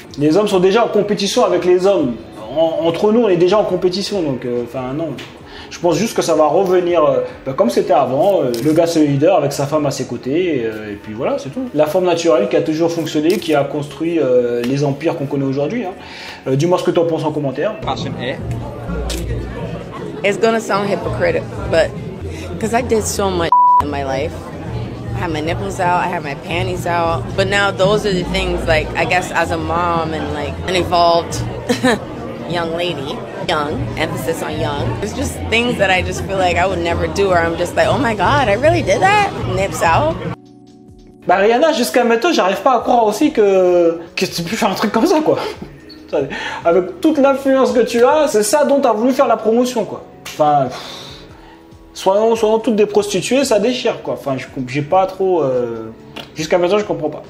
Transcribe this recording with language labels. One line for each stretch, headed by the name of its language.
French: Les hommes sont déjà en compétition avec les hommes. Entre nous, on est déjà en compétition, donc, enfin, non. Je pense juste que ça va revenir comme c'était avant. Le gars, c'est le leader avec sa femme à ses côtés. Et puis voilà, c'est tout. La forme naturelle qui a toujours fonctionné, qui a construit les empires qu'on connaît aujourd'hui. Hein. Dis-moi ce que tu en penses en commentaire. Question A.
English: It's gonna sound hypocritical, but because I did so much in my life. I have my nipples out, I have my panties out. But now those are the things, like, I guess as a mom and like an evolved young lady. Young, emphasis on young. It's just things that I just feel like I would never do, or I'm just like, oh my god, I really did that? Nips out.
French: Bah Rihanna, jusqu'à maintenant, j'arrive pas à croire aussi que tu peux faire un truc comme ça, quoi. Avec toute l'influence que tu as, c'est ça dont t'as voulu faire la promotion, quoi. Enfin, soyons toutes des prostituées, ça déchire, quoi. Enfin, j'ai pas trop. Jusqu'à maintenant, je comprends pas.